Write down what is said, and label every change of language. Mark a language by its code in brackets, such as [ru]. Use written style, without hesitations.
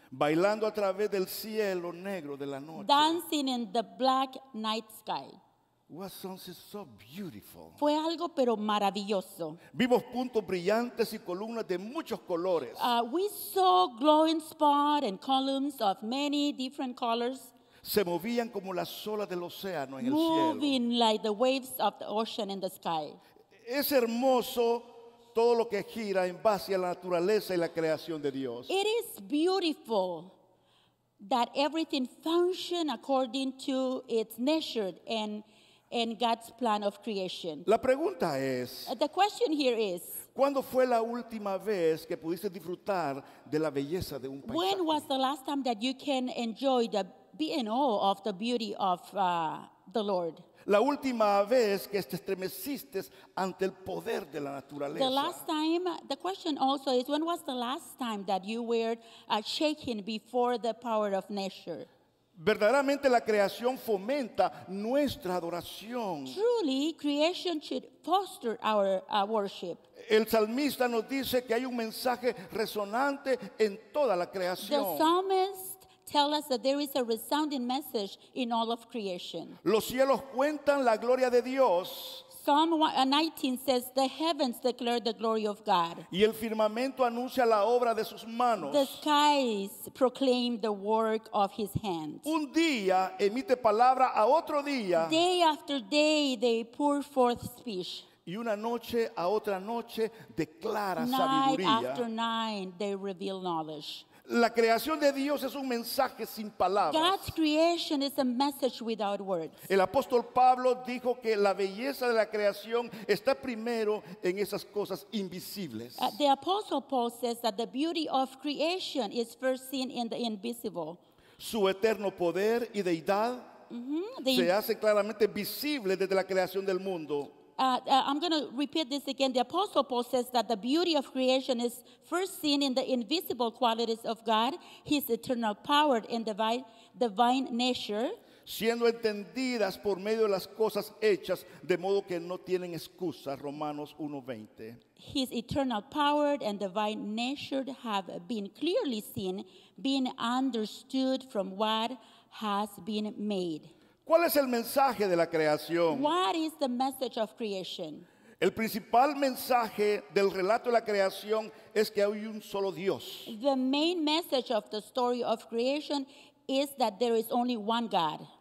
[es] Bailando a través del cielo negro de la noche. [en] Dancing in the black night sky. What sounds so beautiful. [es] Fue algo pero maravilloso. Vimos puntos brillantes y columnas de muchos colores. [en] We saw glowing spots and columns of many different colors. [es] Se movían como las olas del océano en el cielo. [en] Moving like the waves of the ocean in the sky. [es] Es hermoso. Todo lo que gira en base a la naturaleza y la creación de Dios. [en] It is beautiful that everything functions according to its nature and God's plan of creation. [es] La pregunta es, [en] the question here is, [es] ¿cuándo fue la última vez que pudiste disfrutar de la belleza de un paisaje? [en] When was the last time that you can enjoy the be in awe of the beauty of the Lord? [es] La última vez que te estremeciste ante el poder de la naturaleza. [en] The last time, the question also is, when was the last time that you were shaken before the power of nature? [es] Verdaderamente la creación fomenta nuestra adoración. [en] Truly, creation should foster our worship. [es] El salmista nos dice que hay un mensaje resonante en toda la creación. [en] The psalmist tell us that there is a resounding message in all of creation. [es] Los cielos cuentan la gloria de Dios. [en] Psalm 19 says, the heavens declare the glory of God. [es] Y el firmamento anuncia la obra de sus manos. [en] The skies proclaim the work of his hands. [es] Un día emite palabra a otro día. [en] Day after day they pour forth speech. [es] Y una noche a otra noche declara [en] night [es] sabiduría. [en] Night after night they reveal knowledge. [es] La creación de Dios es un mensaje sin palabras. [en] God's creation is a message without words. [es] El apóstol Pablo dijo que la belleza de la creación está primero en esas cosas invisibles. [en] The apostle Paul says that the beauty of creation is first seen in the invisible. [es] Su eterno poder y deidad se hace claramente visible desde la creación del mundo. [en] I'm going to repeat this again. The Apostle Paul says that the beauty of creation is first seen in the invisible qualities of God, his eternal power and divine nature. [es] Siendo entendidas por medio de las cosas hechas, de modo que no tienen excusas, Romanos 1:20. [en] His eternal power and divine nature have been clearly seen, being understood from what has been made. [es] ¿Cuál es el mensaje de la creación? [en] What is the message of creation? [es] El principal mensaje del relato de la creación es que hay un solo Dios. [en] The main message of the story of creation is that there is only one God.